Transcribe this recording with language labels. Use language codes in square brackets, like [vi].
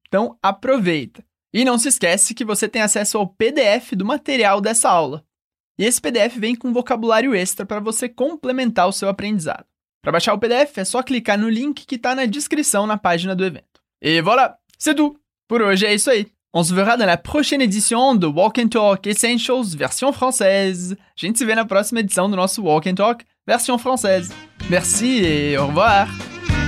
[pt] Então aproveita! E não se esquece que você tem acesso ao PDF do material dessa aula. E esse PDF vem com vocabulário extra para você complementar o seu aprendizado. Para baixar o PDF, é só clicar no link que está na descrição na página do evento. [fr] Et voilà, c'est tout! [pt] Por hoje é isso aí. [fr] On se verra dans la prochaine édition de Walk and Talk Essentials version française. [pt] A gente se vê na próxima edição do nosso Walk and Talk version française. [fr] Merci et au revoir!